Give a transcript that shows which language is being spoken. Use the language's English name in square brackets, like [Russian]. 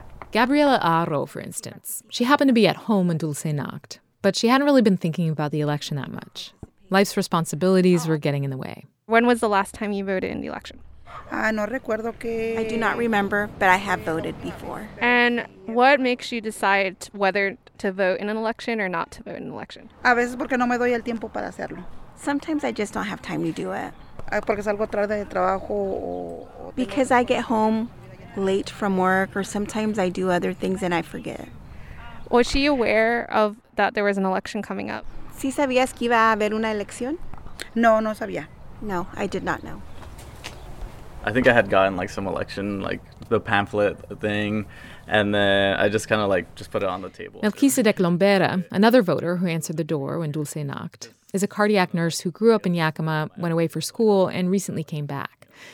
[English] Gabriela Aro, for instance, she happened to be at home when Dulce knocked, but she hadn't really been thinking about the election that much. Life's responsibilities were getting in the way. When was the last time you voted in the election? I do not remember, but I have voted before. And what makes you decide whether to vote in an election or not to vote in an election? [Spanish] A veces porque no me doy el tiempo para hacerlo. [English] Sometimes I just don't have time to do it. [Spanish] Porque salgo tarde de trabajo. [English] Because I get home late from work, or sometimes I do other things and I forget. Was she aware of that there was an election coming up? [Spanish] ¿Sí sabías que iba a haber una elección? No, no sabía. [English] No, I did not know. I think I had gotten like some election, like the pamphlet thing, and then I just kind of like just put it on the table. Melquisedec Lombera, another voter who answered the door when Dulce knocked, is a cardiac nurse who grew up in Yakima, went away for school, and recently came back.